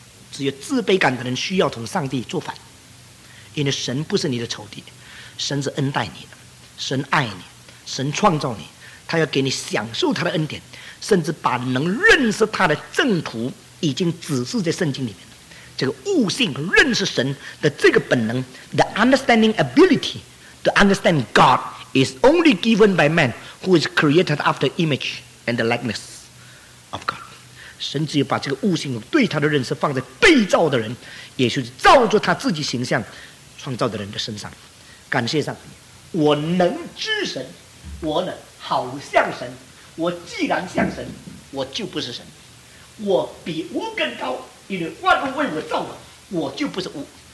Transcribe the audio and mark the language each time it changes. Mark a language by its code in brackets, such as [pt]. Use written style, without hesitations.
[zh] 只有自卑感的人需要同上帝作反，因为神不是你的仇敌，神是恩待你的，神爱你，神创造你，他要给你享受他的恩典，甚至把能认识他的正途已经指示在圣经里面。这个悟性认识神的这个本能 [en] The understanding ability to understand God is only given by man who is created after image and the likeness of God。 [zh] 神只有把这个悟性对他的认识放在被造的人，也就是造作他自己形象创造的人的身上。感谢上帝，我能知神，我呢好像神，我既然像神，我就不是神，我比物更高，因为万物为我造的，我就不是物。